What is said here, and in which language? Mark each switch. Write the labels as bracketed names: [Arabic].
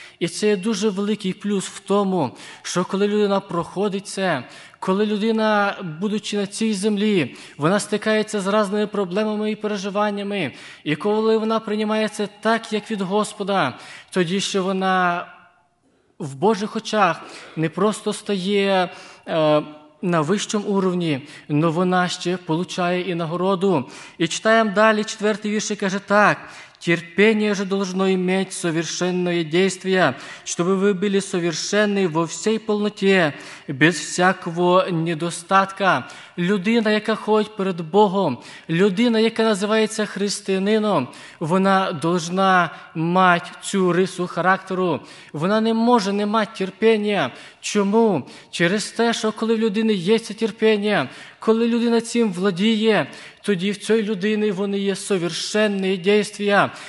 [Ukrainian] І це є дуже великий плюс в тому, що коли людина проходить це, коли людина, будучи на цій землі, вона стикається з різними проблемами і переживаннями, і коли вона приймає це так, як від Господа, тоді ще вона в Божих очах не просто стає на вищому рівні, але вона ще получає і нагороду. І читаємо далі, четвертий вірш каже так: [Russian] «Терпіння же должно иметь совершенное действие, чтобы вы были совершенны во всей полноте, без всякого недостатка». [Ukrainian] Людина, яка ходить перед Богом, людина, яка називається християнином, вона должна мати цю рису характеру. Вона не може не мати терпіння. Чому? Через те, що коли в людини є це терпіння, коли людина цим владіє, тоді в цій людини вони є совершенні дійства.